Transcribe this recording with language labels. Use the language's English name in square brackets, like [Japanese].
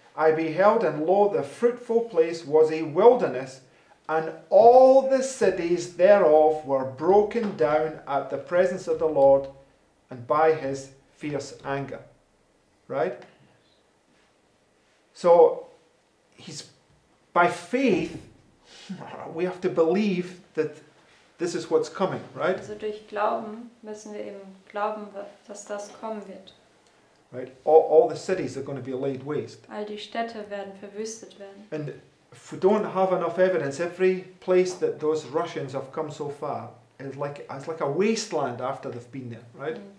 [English] I beheld, and lo, the fruitful place was a wilderness, and all the cities thereof were broken down at the presence of the Lord and by his fierce anger. Right? So, he's by faith, we have to believe that this is what's coming, right? [German] Also durch Glauben müssen wir eben glauben, dass das kommen wird. [English] Right. All the cities are going to be laid waste. [German] All die Städte werden verwüstet werden. [English] And if we don't have enough evidence, every place that those Russians have come so far is like, it's like a wasteland after they've been there, right?